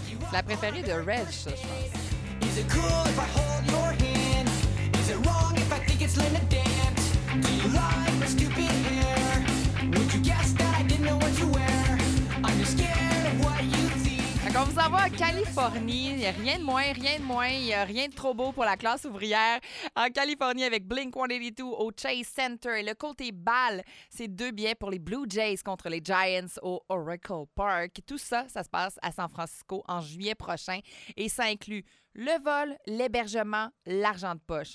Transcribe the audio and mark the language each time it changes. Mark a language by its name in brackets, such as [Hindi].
[French] La préférée de Reg, ça, je pense. [English] Is it cool if I hold your hand? Is it wrong if I think it's Linda Dance? Do you like my stupid hair? Would you guess that I didn't know what you wear? I'm just scared of what you think. [French] On vous envoie en Californie. Il n'y a rien de moins, rien de moins. Il n'y a rien de trop beau pour la classe ouvrière. En Californie avec Blink 182 au Chase Center. Et le côté bal, c'est deux billets pour les Blue Jays contre les Giants au Oracle Park. Tout ça, ça se passe à San Francisco en juillet prochain. Et ça inclut le vol, l'hébergement, l'argent de poche.